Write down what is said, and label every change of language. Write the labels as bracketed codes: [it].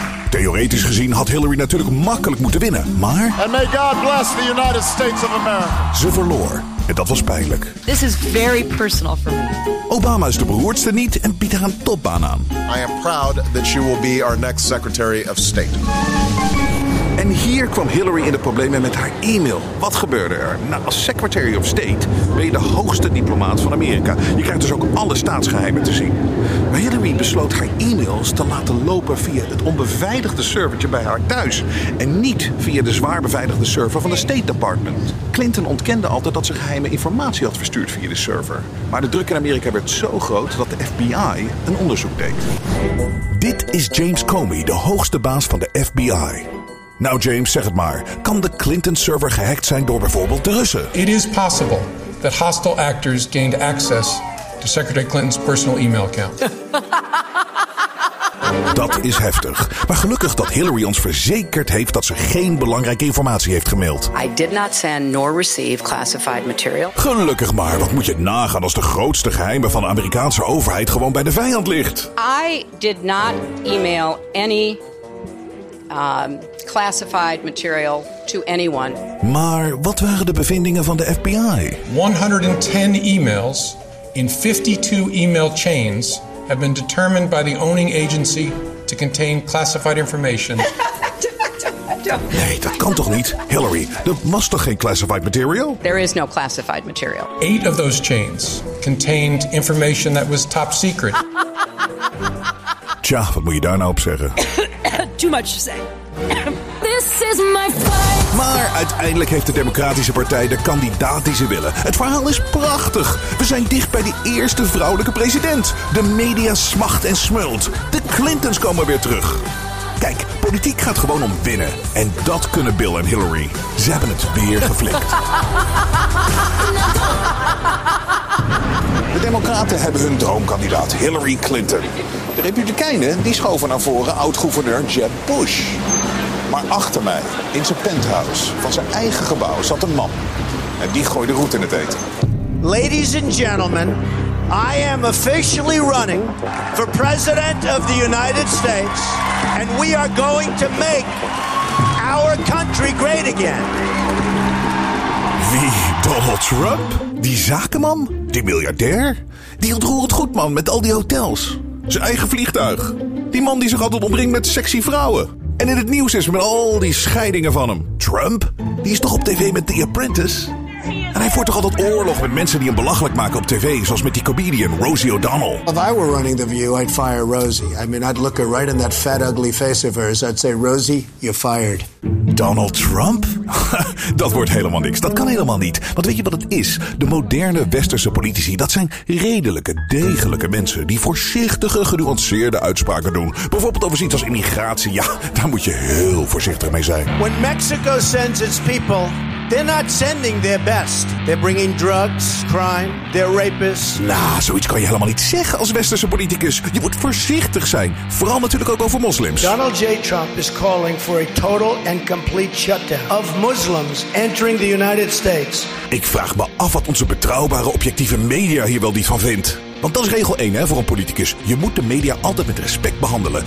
[nl] Theoretisch gezien had Hillary natuurlijk makkelijk moeten winnen, maar... [en] And may God bless the United States of America. [nl] Ze verloor. En dat was pijnlijk. [en] This is very personal for me. [nl] Obama is de beroerdste niet en biedt haar een topbaan aan. [en] I am proud that she will be our next Secretary of State. [nl] En hier kwam Hillary in de problemen met haar e-mail. Wat gebeurde er? Nou, als Secretary of State ben je de hoogste diplomaat van Amerika. Je krijgt dus ook alle staatsgeheimen te zien. Maar Hillary besloot haar e-mails te laten lopen via het onbeveiligde servertje bij haar thuis. En niet via de zwaar beveiligde server van de State Department. Clinton ontkende altijd dat ze geheime informatie had verstuurd via de server. Maar de druk in Amerika werd zo groot dat de FBI een onderzoek deed. Dit is James Comey, de hoogste baas van de FBI. Nou James, zeg het maar. Kan de Clinton-server gehackt zijn door bijvoorbeeld de Russen? [en] It is possible that hostile actors gained access to Secretary Clinton's personal email account. [nl] Dat is heftig. Maar gelukkig dat Hillary ons verzekerd heeft dat ze geen belangrijke informatie heeft gemaild. [en] I did not send nor receive classified material. [nl] Gelukkig maar, wat moet je nagaan als de grootste geheimen van de Amerikaanse overheid gewoon bij de vijand ligt? [en] I did not email any... classified material to anyone. [nl] Maar wat waren de bevindingen van de FBI? [en] 110 emails in 52 email chains have been determined by the owning agency to contain classified information. [nl] Nee, dat kan toch niet? Hillary, er was toch geen [en] classified material? There is no classified material. 8 of those chains contained information that was top secret. [nl] Tja, wat moet je daar nou op zeggen? [en] Too much to say. This is my fight. [nl] Maar uiteindelijk heeft de Democratische Partij de kandidaat die ze willen. Het verhaal is prachtig. We zijn dicht bij de eerste vrouwelijke president. De media smacht en smult. De Clintons komen weer terug. Kijk, politiek gaat gewoon om winnen. En dat kunnen Bill en Hillary. Ze hebben het weer geflikt. De Democraten hebben hun droomkandidaat Hillary Clinton. De Republikeinen die schoven naar voren oud-gouverneur Jeb Bush. Maar achter mij, in zijn penthouse, van zijn eigen gebouw, zat een man. En die gooide roet in het eten. [en] Ladies and gentlemen, I am officially running for president of the United States. And we are going to make our country great again. [nl] Wie? Donald Trump? Die zakenman? Die miljardair? Die ontroerend goedman met al die hotels? Zijn eigen vliegtuig? Die man die zich altijd omringt met sexy vrouwen? En in het nieuws is met al die scheidingen van hem. Trump? Die is toch op tv met The Apprentice? En hij voert toch altijd oorlog met mensen die hem belachelijk maken op tv, zoals met die comedian Rosie O'Donnell. [en] If I were running The View, I'd fire Rosie. I mean, I'd look her right in that fat, ugly face of hers. I'd say, Rosie, you're fired. [nl] Donald Trump? Dat wordt helemaal niks. Dat kan helemaal niet. Want weet je wat het is? De moderne westerse politici, dat zijn redelijke, degelijke mensen die voorzichtige, genuanceerde uitspraken doen. Bijvoorbeeld over iets als immigratie. Ja, daar moet je heel voorzichtig mee zijn. [en] When Mexico sends its people, they're not sending their best. They're bringing drugs, crime, they're rapists. [nl] Nou, zoiets kan je helemaal niet zeggen als westerse politicus. Je moet voorzichtig zijn. Vooral natuurlijk ook over moslims. [en] Donald J. Trump is calling for a total and complete shutdown of Muslims entering the United States. [nl] Ik vraag me af wat onze betrouwbare, objectieve media hier wel niet van vindt. Want dat is regel 1, hè, voor een politicus. Je moet de media altijd met respect behandelen.